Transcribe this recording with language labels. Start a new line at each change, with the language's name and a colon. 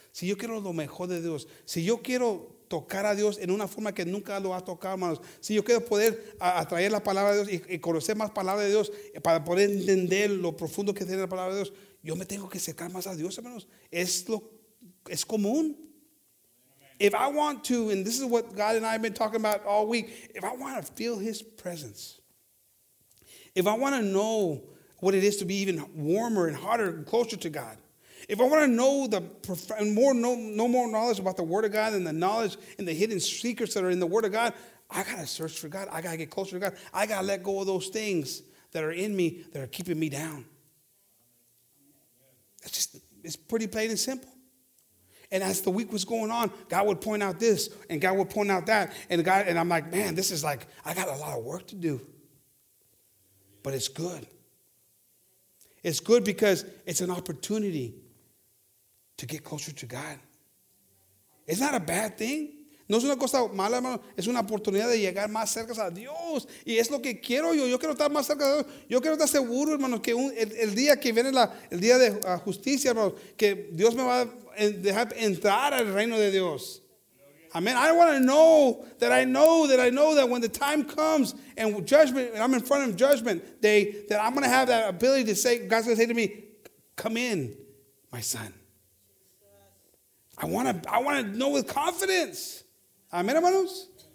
Spanish: Si yo quiero lo mejor de Dios. Si yo quiero tocar a Dios en una forma que nunca lo ha tocado, hermanos. Si yo quiero poder atraer la palabra de Dios y conocer más palabra de Dios para poder entender lo profundo que tiene la palabra de Dios. Yo me tengo que acercar más a Dios, hermanos. Es común.
English: If I want to, and this is what God and I have been talking about all week, if I want to feel his presence, if I want to know what it is to be even warmer and hotter and closer to God, if I want to know more knowledge about the Word of God and the knowledge and the hidden secrets that are in the Word of God, I got to search for God. I got to get closer to God. I got to let go of those things that are in me that are keeping me down. It's pretty plain and simple. And as the week was going on, God would point out this, and God would point out that, and I'm like, man, this is like, I got a lot of work to do. But it's good. It's good because it's an opportunity to get closer to God. It's not a bad thing.
Spanish: No es una cosa mala, hermano. Es una oportunidad de llegar más cerca a Dios. Y es lo que quiero yo. Yo quiero estar más cerca de Dios. Yo quiero estar seguro, hermano, que el día que viene el día de justicia, hermano, que Dios me va a dejar entrar al reino de Dios. Amen.
English: I want to know that I know that I know that when the time comes and judgment, and I'm in front of judgment day, that I'm going to have that ability to say, God's going to say to me, come in, my son. I want to know with confidence. Amen, hermanos.